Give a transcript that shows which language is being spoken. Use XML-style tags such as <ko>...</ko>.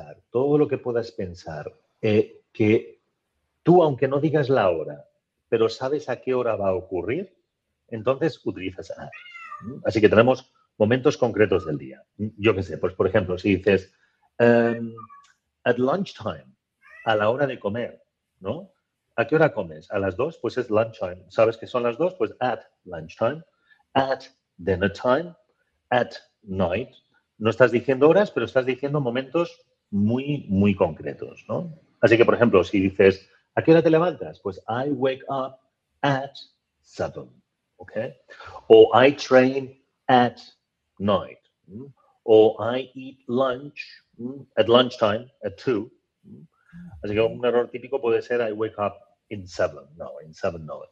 <es>Todo lo que puedas pensar, que tú, aunque no digas la hora, pero sabes a qué hora va a ocurrir, entonces utilizas at. Así que tenemos momentos concretos del día. Yo qué sé, pues por ejemplo, si dices at lunchtime, a la hora de comer, ¿no? ¿A qué hora comes? A las 2, pues es lunchtime. ¿Sabes que son las 2?</es> <en>Pues at lunchtime, at dinner time, at night.</en> <es>No estás diciendo horas, pero estás diciendo momentos muy, muy concretos, ¿no? Así que, por ejemplo, si dices, ¿a qué hora te levantas?</es> <en>Pues I wake up at 7. Okay. O I train at night. O I eat lunch at lunchtime at 2.</en> <es>Así que un error típico puede ser I wake up in 7. No, in 7 no.</es>